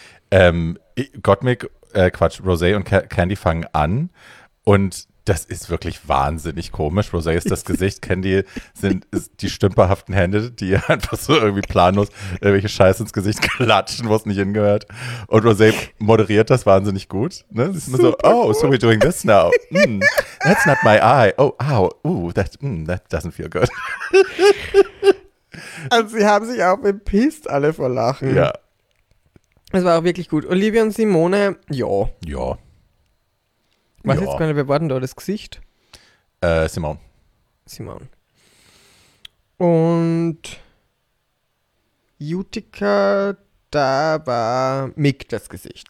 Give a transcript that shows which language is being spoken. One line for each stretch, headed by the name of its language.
German: Rosé und Candy fangen an und das ist wirklich wahnsinnig komisch. Rosé ist das Gesicht, Candy sind die stümperhaften Hände, die einfach so irgendwie planlos irgendwelche Scheiße ins Gesicht klatschen, wo es nicht hingehört. Und Rosé moderiert das wahnsinnig gut. Ne? Sie ist immer so,
English: oh, cool. So we're doing this now. Mm, that's not my eye. Oh, ow. Ooh, that doesn't feel good.
German: Also sie haben sich auch bepisst alle vor Lachen. Ja. Es war auch wirklich gut. Olivia und Simone, ja. Ja. Was ist gerade, wir warten da das Gesicht? Simone. Und Utica, da war Mick das Gesicht.